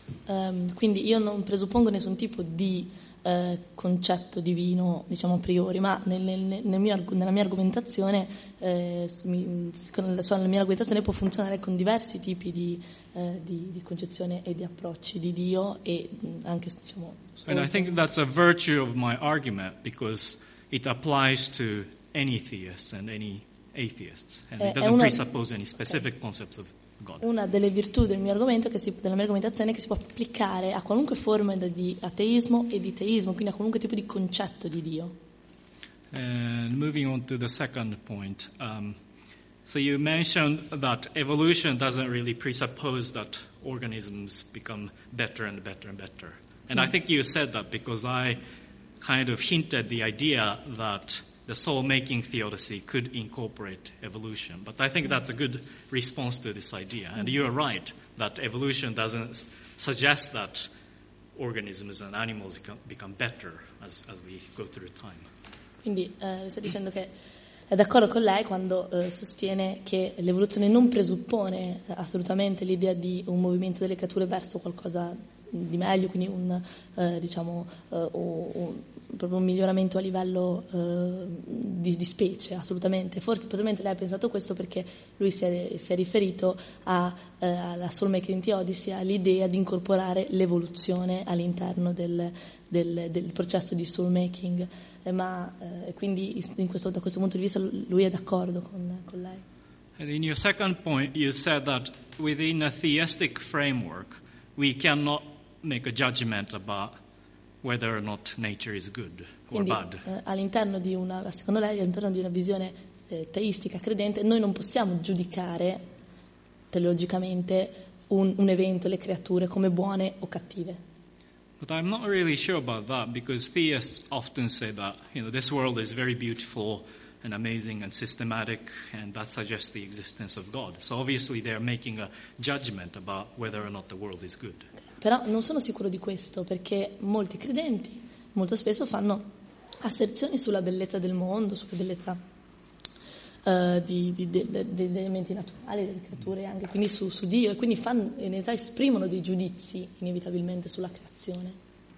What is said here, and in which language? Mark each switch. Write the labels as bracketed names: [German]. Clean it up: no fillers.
[Italian] Quindi io non presuppongo nessun tipo di concetto divino, diciamo, a priori, ma nella mia argomentazione può funzionare con diversi tipi di concezione e di approcci di Dio e anche, diciamo, [English] and I think that's a virtue of my argument because it applies to any theists and any atheists and it doesn't presuppose any specific concepts of God. [Italian] Una delle virtù del mio argomento, della mia argomentazione, è che si può applicare a qualunque forma di ateismo e di teismo, quindi a qualunque tipo di concetto di Dio. [English] And moving on to the second point. So you mentioned that evolution doesn't really presuppose that organisms become better and better and better. And I think you said that because I kind of hinted the idea that the soul-making theodicy could incorporate evolution. But I think that's a good response to this idea. And you are right that evolution doesn't suggest that organisms and animals become better as we go through time. [Italian] Quindi sta dicendo che è d'accordo con lei quando sostiene che l'evoluzione non presuppone assolutamente l'idea di un movimento delle creature verso qualcosa di meglio, quindi un, diciamo, proprio un miglioramento a livello di specie, assolutamente. Forse probabilmente lei ha pensato questo perché lui si è riferito alla soul making theodicy, all'idea di incorporare l'evoluzione all'interno del processo di soul making, quindi da questo punto di vista lui è d'accordo con lei. [English] And in your second point you said that within a theistic framework we cannot make a judgment about whether or not nature is good or [Italian] quindi, [English] bad. [Italian] All'interno di una, secondo lei, all'interno di una visione teistica credente, noi non possiamo giudicare teologicamente un evento, le creature, come buone o cattive. [English] But I'm not really sure about that because theists often say that, you know, this world is very beautiful and amazing and systematic and that suggests the existence of God. So obviously they're making a judgment about whether or not the world is good. [Italian] Però non sono sicuro di questo, perché molti credenti molto spesso fanno asserzioni sulla bellezza del mondo, sulla bellezza degli elementi naturali, delle creature, anche quindi su Dio, e quindi in realtà esprimono dei giudizi inevitabilmente sulla creazione.